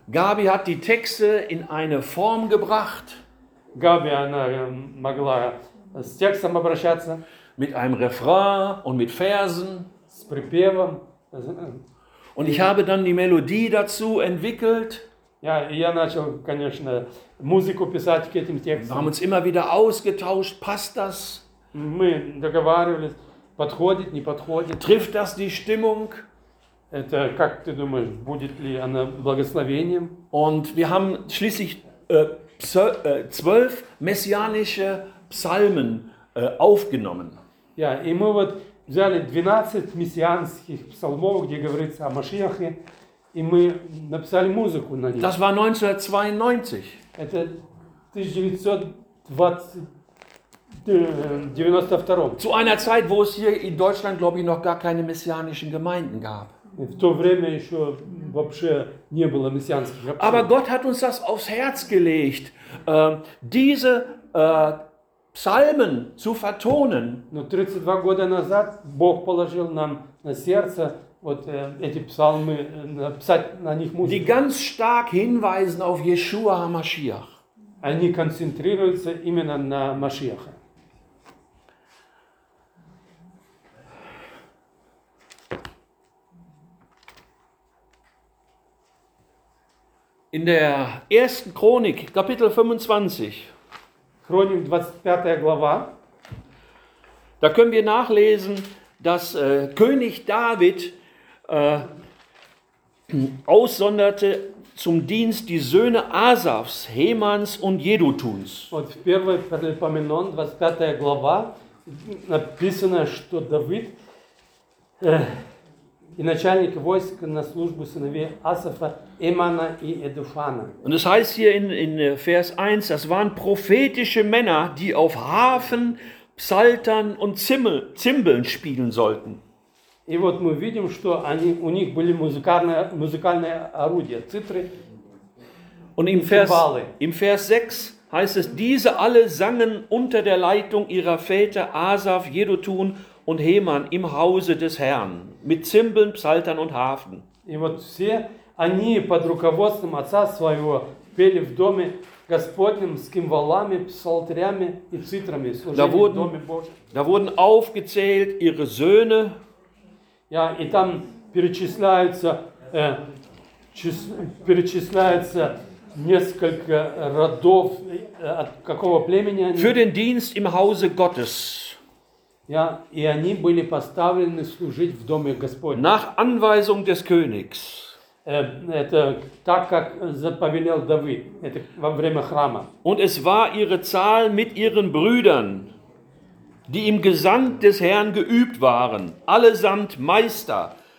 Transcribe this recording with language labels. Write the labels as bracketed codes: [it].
[de] Gabi hat die Texte in eine Form gebracht. [ru] Габи, она могла с текстом обращаться. [de] Mit einem Refrain und mit Versen. [ru] С припевом. [de] Und ich habe dann die Melodie dazu entwickelt. [ru] Ja, я начал, конечно, музыку писать к этим текстам. [de] Wir haben uns immer wieder ausgetauscht. Passt das? [ru] Мы договаривались, подходит, не подходит. [de] Trifft das die Stimmung? [ru] Это, как ты думаешь, будет ли она благословением? [de] Und wir haben schließlich 12 messianische Psalmen aufgenommen. [ru] Ja, и мы вот взяли 12 мессианских псалмов, где говорится о Машиахе, и мы написали музыку на них. [de] Das war 1992. [ru] Это 1992. [de] Zu einer Zeit, wo es hier in Deutschland, glaube ich, noch gar keine messianischen Gemeinden gab. [ru] В то время еще вообще не было мессианских псалмов. [de] Aber Gott hat uns das aufs Herz gelegt, diese Psalmen zu vertonen. [ru] Но 32 года назад Бог положил нам на сердце вот эти псалмы написать на них музыку. [de] Die ganz stark hinweisen auf Yeshua HaMashiach. [ru] Они концентрируются именно на Машиахе. [de] In der ersten Chronik, Kapitel 25. Chronik 25. [ru] Глава. [de] Da können wir nachlesen, dass König David aussonderte zum Dienst die Söhne Asafs, Hemans und Jedutuns. [ru] Вот в первой Паралипоменон, 25. Глава, написано, что Давид и начальник войск на службу сыновей Асафа, Эмана и Эдуфана. [de] Und es heißt hier in Vers 1, das waren prophetische Männer, die auf Harfen, Psaltern und Zimbeln spielen sollten. [ru] И вот мы видим, что они, у них были музыкальные орудия, цитры. [de] Und im Vers 6 heißt es, diese alle sangen unter der Leitung ihrer Väter Asaf, Jedutun und Heman im Hause des Herrn, mit Zimbeln, Psaltern und Harfen. [ru] И вот все они под руководством отца своего пели в доме Господнем с кимвалами, псалтерями и цитрами, служили в доме Божьем. [de] Da wurden aufgezählt ihre Söhne. [ru] Ja, и там перечисляются несколько родов, от какого племени они. [de] Für den Dienst im Hause Gottes. [ru] Ja, и они были поставлены служить в доме Господнем. [de] Nach Anweisung des Königs. [ru] Это так, как заповелел Давид, это во время храма. [de] Und es war ihre Zahl mit ihren Brüdern, die im Gesang des Herrn geübt waren, allesamt Meister,